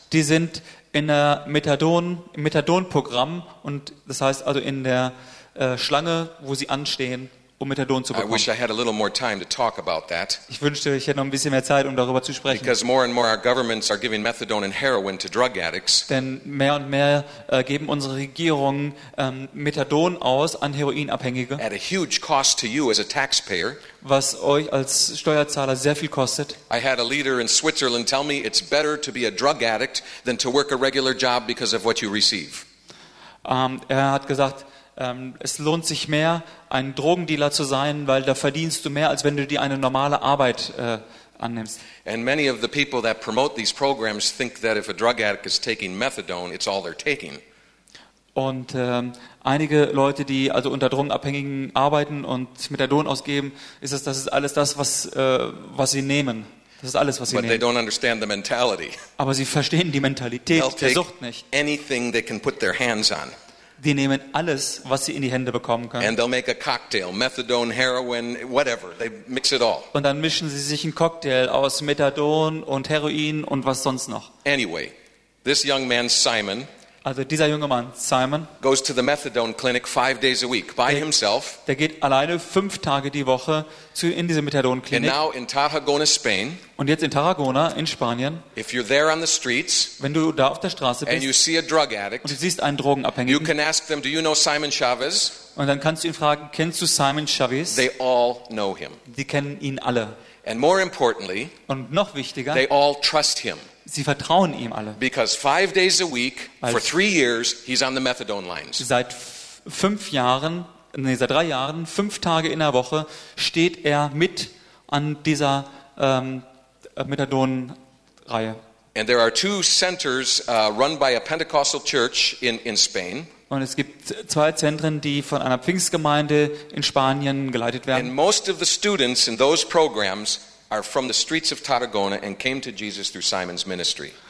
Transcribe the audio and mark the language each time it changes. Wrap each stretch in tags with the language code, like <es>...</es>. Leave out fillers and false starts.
<de>Die sind in der Methadon-Programm, und das heißt also in der Schlange, wo sie anstehen, um Methadon zu bekommen.</de> <en>I wish I had a little more time to talk about that.</en> <de>Ich wünschte, ich hätte noch ein bisschen mehr Zeit, um darüber zu sprechen.</de> <en>Because more and more our governments are giving methadone and heroin to drug addicts.</en> <de>Denn mehr und mehr geben unsere Regierungen Methadon aus an Heroinabhängige.</de> <en>At a huge cost to you as a taxpayer.</en> <de>Was euch als Steuerzahler sehr viel kostet.</de> <en>I had a leader in Switzerland tell me it's better to be a drug addict than to work a regular job because of what you receive.</en> <de>Er hat gesagt, es lohnt sich mehr, ein Drogendealer zu sein, weil da verdienst du mehr, als wenn du dir eine normale Arbeit annimmst.</de> <en>And many of the people that promote these programs think that if a drug addict is taking methadone, it's all they're taking.</en> <de>Und einige Leute, die also unter Drogenabhängigen arbeiten und Methadon ausgeben, ist es, das ist alles das, was sie nehmen. Das ist alles, was sie</de> <en>But</en> <de>nehmen.</de> <en>They don't understand the mentality.</en> <de>Aber sie verstehen die Mentalität</de> <en>They'll</en> <de>der Sucht nicht.</de> <en>Take anything they can put their hands on.</en> <de>Die nehmen alles, was sie in die Hände bekommen können.</de> <en>And they'll make a cocktail, methadone, heroin, whatever. They mix it all.</en> <de>Und dann mischen sie sich einen Cocktail aus Methadon und Heroin und was sonst noch.</de> <en>Anyway, this young man Simon.</en> <de>Also dieser junge Mann Simon</de> <en>goes to the methadone clinic 5 days a week by himself.</en> <de>Der geht alleine 5 Tage die Woche in diese Methadon Klinik.</de> <en>And now in Tarragona, Spain.</en> <de>Und jetzt in Tarragona in Spanien.</de> <en>If you're there on the streets,</en> <de>wenn du da auf der Straße bist,</de> <en>and you see a drug addict,</en> <de>und du siehst einen Drogenabhängigen,</de> <en>you can ask them, do you know Simon Chavez?</en> <de>Und dann kannst du ihn fragen, kennst du Simon Chavez?</de> <en>They all know him.</en> <de>Die kennen ihn alle.</de> <en>And more importantly,</en> <de>und noch wichtiger,</de> <en>they all trust him.</en> <de>Sie vertrauen ihm alle.</de> <en>Because 5 days a week for 3 years he's on the methadone lines.</en> <de>Seit drei Jahren, 5 Tage in der Woche steht er mit an dieser Methadon-Reihe.</de> <en>And there are 2 centers run by a Pentecostal church in Spain.</en> <de>Und es gibt 2 Zentren, die von einer Pfingstgemeinde in Spanien geleitet werden.</de> <en>And most of the students in those programs are from the streets of Tarragona and came to Jesus through Simon's ministry.</en>